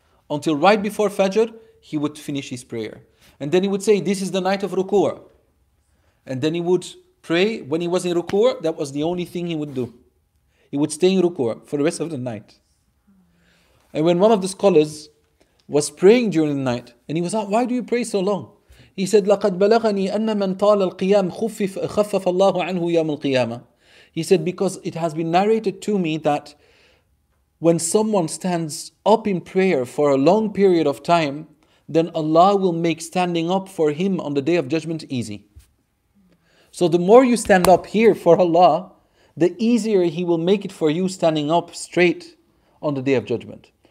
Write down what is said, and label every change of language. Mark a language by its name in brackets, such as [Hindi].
[English] Until right before Fajr, he would finish his prayer. And then he would say, this is the night of ruku'. And then he would pray. When he was in ruku', that was the only thing he would do. He would stay in ruku' for the rest of the night. And when one of the scholars was praying during the night, and he was asked, why do you pray so long? He said, [Arabic] لَقَدْ بَلَغَنِي أَنَّ مَنْ طَالَ الْقِيَامِ خَفَّفَ اللَّهُ عَنْهُ يَوْمَ الْقِيَامَةِ. [English] He said, because it has been narrated to me that when someone stands up in prayer for a long period of time, then Allah will make standing up for him on the Day of Judgment easy. So the more you stand up here for Allah, the easier He will make it for you standing up straight on the Day of Judgment.